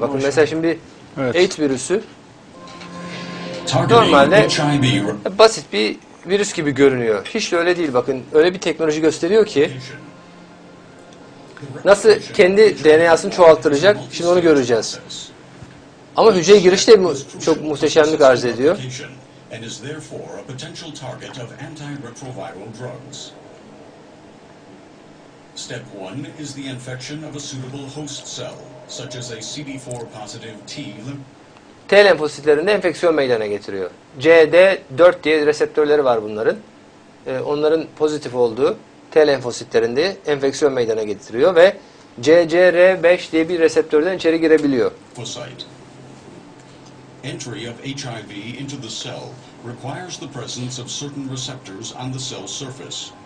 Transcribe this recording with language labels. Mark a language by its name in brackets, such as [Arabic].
[Turkish] Bakın mesela şimdi evet. AIDS virüsü normalde basit bir virüs gibi görünüyor. Hiç de öyle değil bakın. Öyle bir teknoloji gösteriyor ki nasıl kendi DNA'sını çoğalttıracak şimdi onu göreceğiz. Ama hücreye giriş de çok muhteşemlik arz ediyor. [English] And is therefore a potential target of antiretroviral drugs. Step 1 is the infection of a suitable host cell, such as a CD4 positive [Turkish] T lenfositlerinde enfeksiyon meydana getiriyor. CD4 diye reseptörleri var bunların. Onların pozitif olduğu T lenfositlerinde enfeksiyon meydana getiriyor ve CCR5 diye bir reseptörden içeri girebiliyor. [English] Entry of HIV into the cell requires the presence of certain receptors on the cell surface.